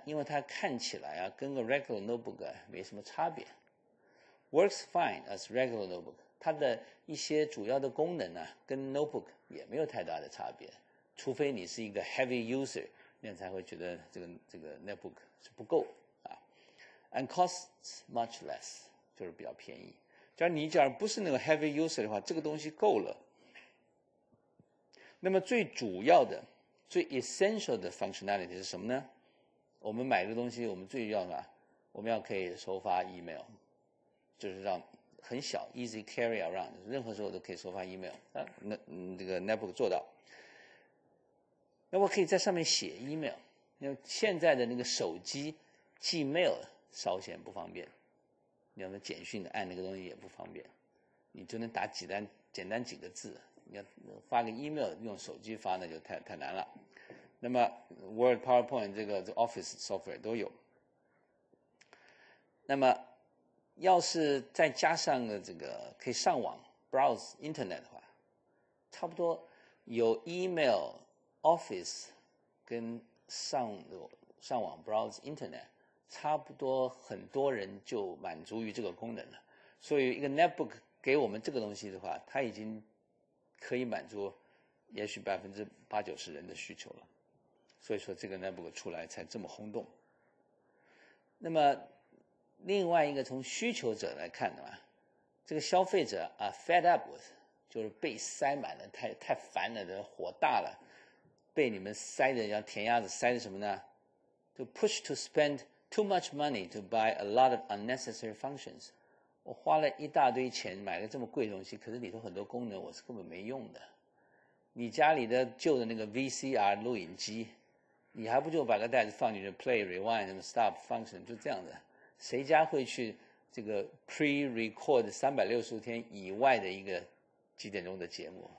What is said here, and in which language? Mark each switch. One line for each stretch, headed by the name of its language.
Chinese: 因为它看起来啊，跟个 regular notebook 没什么差别。
English: Works fine as regular notebook，
Chinese: 它的一些主要的功能呢、啊，跟 notebook 也没有太大的差别，除非你是一个 heavy user， 那才会觉得这个 notebook 是不够啊。
English: And costs much less，
Chinese: 就是比较便宜。假如不是那个 heavy user 的话，这个东西够了。那么最主要的、最 essential 的 functionality 是什么呢？我们买这个东西，我们最要啊，我们要可以收发 email。就是让很小
English: easy carry around，
Chinese: 任何时候都可以收发 email， 这个 netbook 做到。那我可以在上面写 email， 因为现在的那个手机寄 mail 稍显不方便，你要简讯按那个东西也不方便，你就能打几单简单几个字，你要发个 email 用手机发那就太难了。那么 word powerpoint 这个 office software 都有。那么要是再加上个这个可以上网 browse internet 的话，差不多有 email office 跟上网 browse internet， 差不多很多人就满足于这个功能了。所以一个 netbook 给我们这个东西的话，它已经可以满足也许80-90%人的需求了。所以说这个 netbook 出来才这么轰动。那么另外一个从需求者来看的话，这个消费者啊 ，
English: fed up with，
Chinese: 就是被塞满了，太烦了，这火大了，被你们塞的像填鸭子，塞的什么呢？就
English: push to spend too much money to buy a lot of unnecessary functions。
Chinese: 我花了一大堆钱买了这么贵的东西，可是里头很多功能我是根本没用的。你家里的旧的那个 VCR 录影机，你还不就把个袋子放进去 play rewind 什么 stop function 就这样子。谁家会去这个 pre-record 365天以外的一个几点钟的节目？